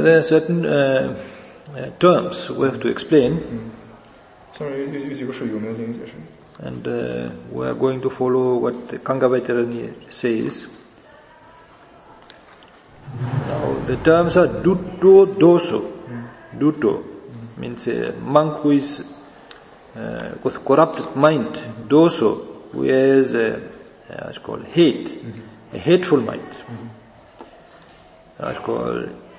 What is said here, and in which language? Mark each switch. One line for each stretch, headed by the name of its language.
English: there are certain terms we have to explain.
Chinese: 下面有几个术语我没有进行解释。
English: And we are going to follow what Kangavacharani says. Now, the terms are dutto doso. Dutto means a monk who is with corrupted mind. Doso, who has hate, a hateful mind.